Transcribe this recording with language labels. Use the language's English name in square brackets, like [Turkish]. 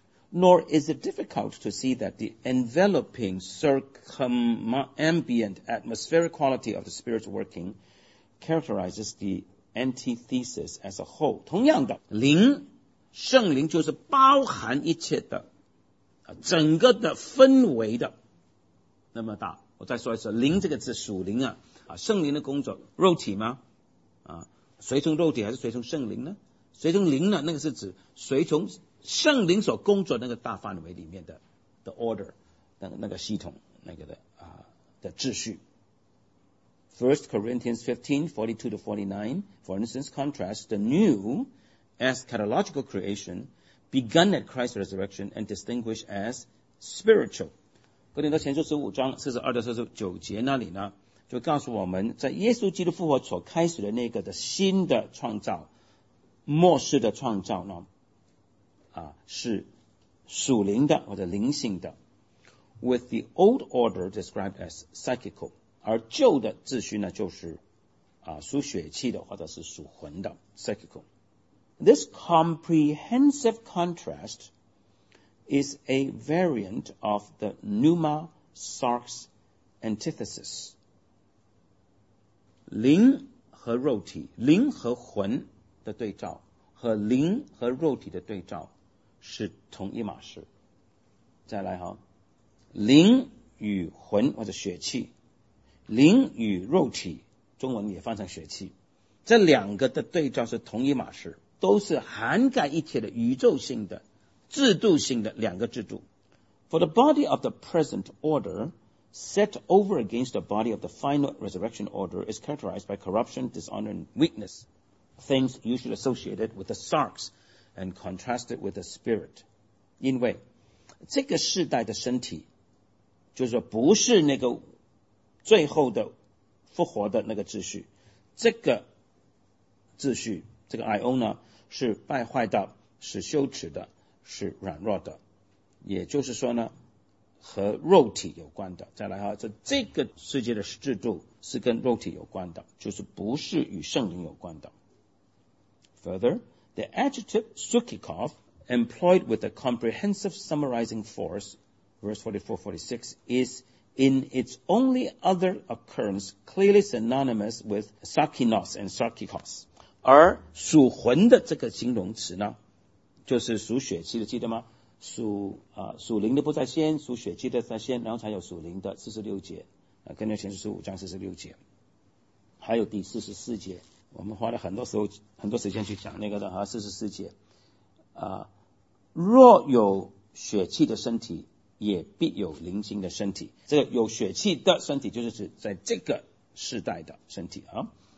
[English] Nor is it difficult to see that the enveloping circumambient atmospheric quality of the Spirit's working characterizes theantithesis as a whole [Chinese] 同样的灵圣灵就是包含一切的整个的氛围的那么大我再说一次灵这个字属灵 圣灵的工作肉体吗、随从肉体还是随从圣灵呢随从灵呢那个是指随从圣灵所工作那个大范围里面的 [English] the order [Chinese] 那个系统那个 的秩序 [English] 1 Corinthians 15:42-49, for instance, contrasts the new eschatological creation begun at Christ's resurrection and distinguished as spiritual. [Chinese] 哥林多前书15章42-49节那里呢，就告诉我们在耶稣基督复活所开始的那个的新的创造，末世的创造呢，是属灵的或者灵性的 [English] ，with the old order described as psychical. [Chinese] 而旧的秩序呢就是属血气的或者是属魂的 psychical. [English] This comprehensive contrast is a variant of the pneuma sarx antithesis. [Chinese] 灵和肉体灵和魂的对照和灵和肉体的对照是同一码事。再来好灵与魂或者血气灵与肉体中文也翻成血气这两个的对照是同一码事都是涵盖一切的宇宙性的制度性的两个制度 [English] For the body of the present order set over against the body of the final resurrection order is characterized by corruption, dishonor and weakness things usually associated with the sarx and contrasted with the spirit [Chinese] 因为这个世代的身体就是不是那个最后的复活的那个秩序这个秩序这个 Ion 呢是败坏的是羞耻的是软弱的，也就是说呢和肉体有关的。再来哈，这个世界的制度是跟肉体有关的，就是不是与圣灵有关的。 [English] Further, the adjective sukikov employed with a comprehensive summarizing force, verse 44-46, is in its only other occurrence clearly synonymous with sakinos and sakikos. [Chinese] 而属魂的这个形容词呢，就是属血气的，记得吗？属灵的不在先，属血气的在先，然后才有属灵的46节，跟着前书5章46节，还有第44节，我们花了很多时间去讲那个的哈，44节若有血气的身体也必有灵性的身体，这个有血气的身体就是指在这个世代的身体啊。